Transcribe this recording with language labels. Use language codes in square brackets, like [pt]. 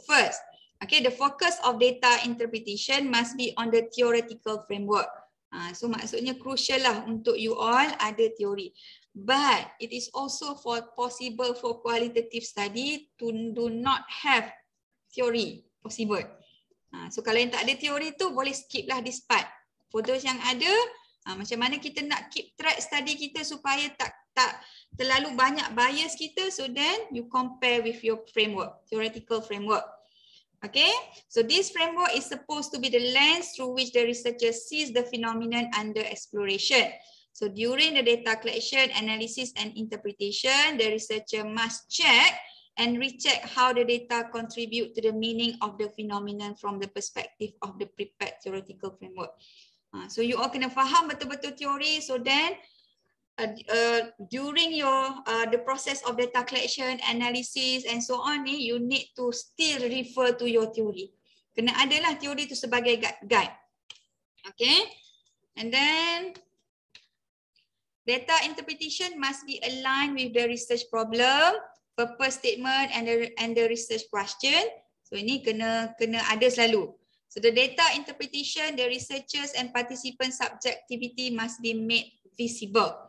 [en] First, okay, the focus of data interpretation must be on the theoretical framework. So [ms] maksudnya [en] crucial [ms] lah untuk [en] you all [ms] ada teori. [en] But it is also for possible for qualitative study to do not have theory possible. [ms] So kalau yang tak ada teori tu, boleh skip lah [en] this part. For those [ms] yang ada, macam mana kita nak [en] keep track study [ms] kita supaya tak terlalu banyak bias kita. [en] So then you compare with your framework, theoretical framework. Okay, so this framework is supposed to be the lens through which the researcher sees the phenomenon under exploration. So during the data collection, analysis and interpretation, the researcher must check and recheck how the data contribute to the meaning of the phenomenon from the perspective of the prepared theoretical framework. So you all [ms] kena faham betul-betul teori. [en] So then during your the process of data collection, analysis and so on ni, you need to still refer to your theory. [ms] Kena adalah teori tu sebagai guide. [en] Okay, and then data interpretation must be aligned with the research problem, purpose statement and the research question. So [ms] ini kena ada selalu. [en] So the data interpretation, the researchers and participant subjectivity must be made visible.